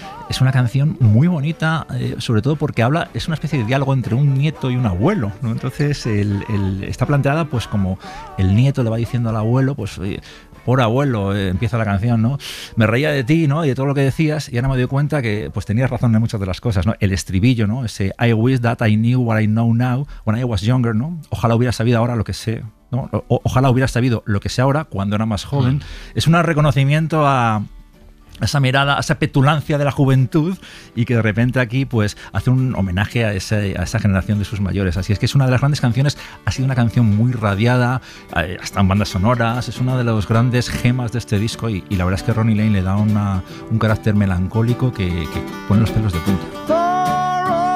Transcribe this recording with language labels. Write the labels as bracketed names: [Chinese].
[Spanish] Es una canción muy bonita, sobre todo porque habla, es una especie de diálogo entre un nieto y un abuelo, ¿no? Entonces está planteada pues como el nieto le va diciendo al abuelo, pues oye, por abuelo, empieza la canción, ¿no? Me reía de ti, ¿no?, y de todo lo que decías, y ahora me doy cuenta que pues tenías razón en muchas de las cosas, ¿no? El estribillo, ¿no? Ese [English] I wish that I knew what I know now when I was younger, ¿no? [Spanish] Ojalá hubiera sabido ahora lo que sé, ¿no? Ojalá hubiera sabido lo que sé ahora cuando era más joven. Es un reconocimiento a esa mirada, esa petulancia de la juventud, y que de repente aquí pues hace un homenaje a esa generación de sus mayores. Así es que es una de las grandes canciones, ha sido una canción muy radiada, hasta en bandas sonoras, es una de las grandes gemas de este disco, y la verdad es que Ronnie Lane le da un carácter melancólico que pone los pelos de punta.